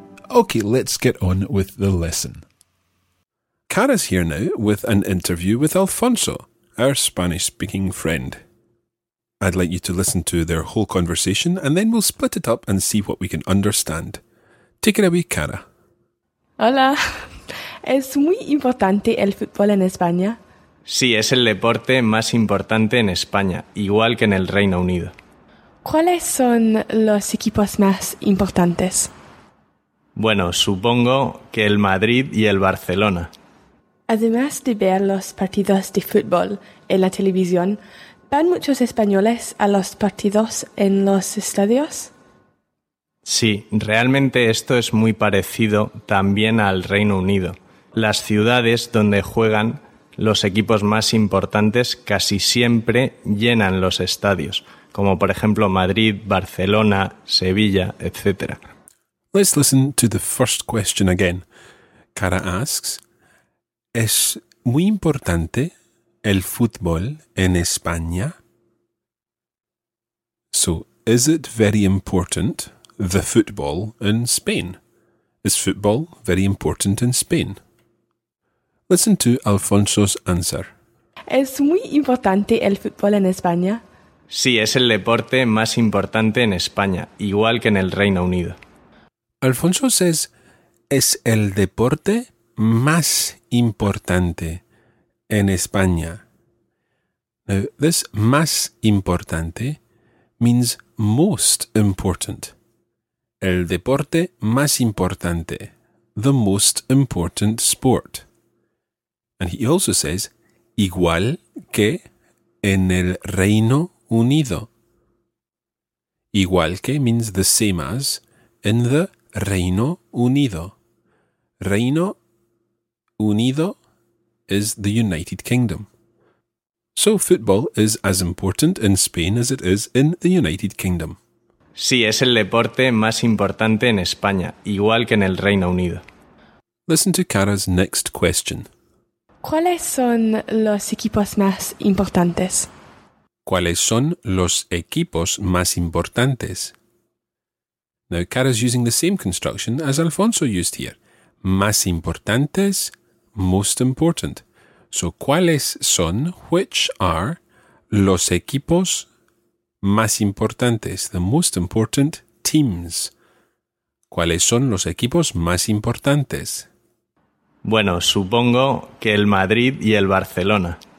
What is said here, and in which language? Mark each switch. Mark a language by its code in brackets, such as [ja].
[en] Okay, let's get on with the lesson. Cara's here now with an interview with Alfonso, our Spanish-speaking friend. I'd like you to listen to their whole conversation and then we'll split it up and see what we can understand. Take it away, Cara. [es] Hola. ¿Es muy importante el fútbol en España? Sí, es el deporte más importante en España, igual que en el Reino Unido. ¿Cuáles son los equipos más importantes? Bueno, supongo que el Madrid y el Barcelona. Además de ver los partidos de fútbol en la televisión, ¿Van muchos españoles a los partidos en los estadios? Sí, realmente esto es muy parecido también al Reino Unido. Las ciudades donde juegan los equipos más importantes casi siempre llenan los estadios, como por ejemplo Madrid, Barcelona, Sevilla, etc. [en] Let's listen to the first question again. Cara asks, [es] ¿es muy importante el fútbol en España? [en] So, is it very important, the football in Spain? Is football very important in Spain? Listen to Alfonso's answer. [es] ¿Es muy importante el fútbol en España? Sí, es el deporte más importante en España, igual que en el Reino Unido. [en] Alfonso says, [es] es el deporte más importante en España. [en] Now, this [es] más importante [en] means most important. [es] El deporte más importante, [en] the most important sport. And he also says, [es] igual que en el Reino Unido. Igual que [en] means the same as in the Reino Unido. Reino Unido is the United Kingdom. So football is as important in Spain as it is in the United Kingdom. [es] Sí, es el deporte más importante en España, igual que en el Reino Unido. [en] Listen to Cara's next question. [es] ¿Cuáles son los equipos más importantes? ¿Cuáles son los equipos más importantes? [en] Now, Cara's using the same construction as Alfonso used here. [es] Más importantes, [en] most important. So, [es] ¿cuáles son, [en] which are, [es] los equipos más importantes, [en] the most important teams? [es] ¿Cuáles son los equipos más importantes? Bueno, supongo que el Madrid y el Barcelona.